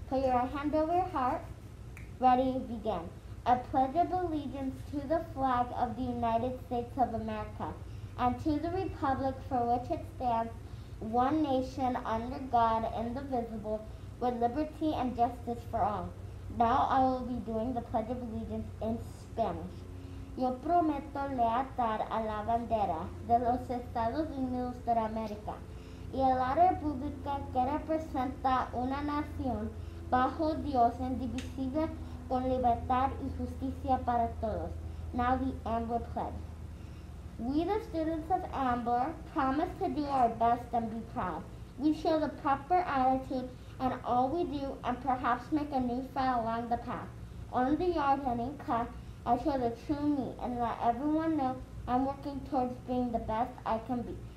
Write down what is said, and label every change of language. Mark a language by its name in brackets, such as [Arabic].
[English] Put your right hand over your heart. Ready, begin. I pledge of allegiance to the flag of the United States of America and to the republic for which it stands, one nation under God, indivisible, with liberty and justice for all. Now I will be doing the Pledge of Allegiance in Spanish. [Spanish] Yo prometo lealtad a la bandera de los Estados Unidos de América y a la República que representa una nación bajo Dios indivisible con libertad y justicia para todos. [English] Now the Ambler Pledge. We, the students of Ambler, promise to do our best and be proud. We show the proper attitude in all we do and perhaps make a new friend along the path. On the yard and in class, I show the true me and let everyone know I'm working towards being the best I can be.